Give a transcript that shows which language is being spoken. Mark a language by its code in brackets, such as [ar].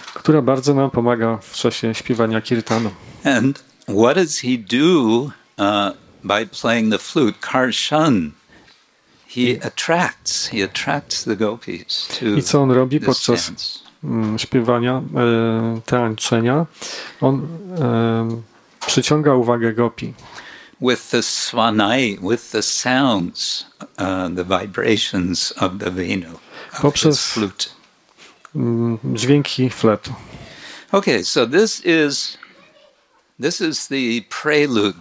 [pl] Która bardzo nam pomaga w czasie śpiewania kirtanu. [en] And what does he do by playing the flute? Karshan. He attracts the gopis to [pl] I co on robi podczas śpiewania, tańczenia? On przyciąga uwagę gopi. [en] With the swanai, with the sounds, the vibrations of the venu, [pl] poprzez [en] his flute. [pl] Dźwięki fletu. [en] Okay, so this is the prelude.